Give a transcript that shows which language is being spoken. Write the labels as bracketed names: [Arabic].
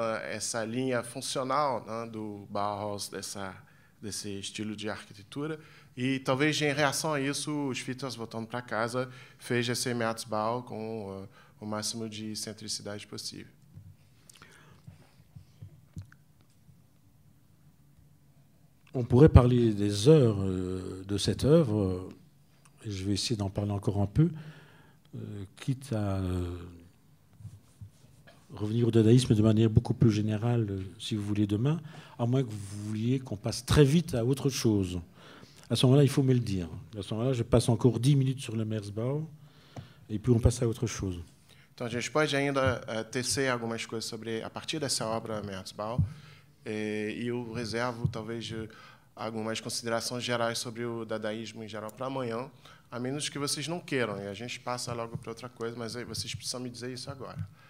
[Portuguese] Essa linha funcional, né, do Bauhaus, desse estilo de arquitetura, e talvez em reação a isso, os Schwitters, voltando para casa, fez esse Märzbau com o máximo de centricidade possível. [French] On pourrait parler des heures de cette œuvre, et je vais essayer d'en parler encore un peu, quitte à revenir au dadaïsme de manière beaucoup plus générale, si vous voulez, demain, à moins que vous vouliez qu'on passe très vite à autre chose. À ce moment-là, il faut me le dire. À ce moment-là, je passe encore 10 minutes sur le Märzbau, et puis on passe à autre chose. Donc, je peux encore [Portuguese] tecer algumas coisas sobre, [French] à partir de cette œuvre Märzbau. [Portuguese] E eu reservo, talvez, algumas considerações gerais sobre o dadaísmo em geral para amanhã, a menos que vocês não queiram, e a gente passa logo para outra coisa, mas aí vocês precisam me dizer isso agora.